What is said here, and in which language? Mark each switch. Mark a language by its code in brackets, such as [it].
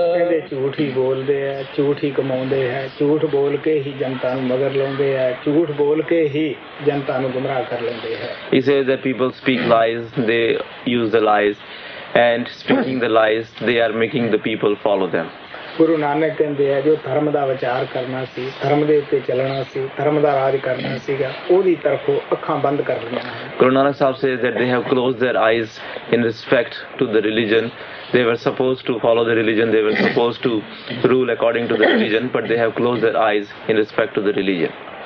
[pa] ਝੂਠ ਹੀ ਕਮਾਉਂਦੇ ਹੈ, ਝੂਠ ਬੋਲ ਕੇ ਹੀ ਜਨਤਾ ਨੂੰ ਮਗਰ ਲਾਉਂਦੇ ਹੈ, ਝੂਠ ਬੋਲ ਕੇ ਹੀ ਜਨਤਾ ਨੂੰ ਗੁੰਮਰਾਹ ਕਰ ਲੈਂਦੇ ਹੈ. [en] He says that people speak lies, they use the lies, and speaking the lies, they are making the people follow them. [pa] Guru Nanak ਕਹਿੰਦੇ ਹੈ ਜੋ ਧਰਮ ਦਾ ਵਿਚਾਰ ਕਰਨਾ ਸੀ, ਧਰਮ ਦੇ ਉੱਤੇ ਚੱਲਣਾ ਸੀ, ਧਰਮ ਦਾ ਰਾਜ ਕਰਨਾ ਸੀਗਾ, ਉਹਦੀ ਤਰਫੋਂ ਅੱਖਾਂ ਬੰਦ ਕਰ ਲਈਆਂ. [en] Guru Nanak Sahib says that they have closed their eyes in respect to the religion. They were supposed to follow the religion, they were supposed to rule according to the religion, but they have closed their eyes in respect to the religion.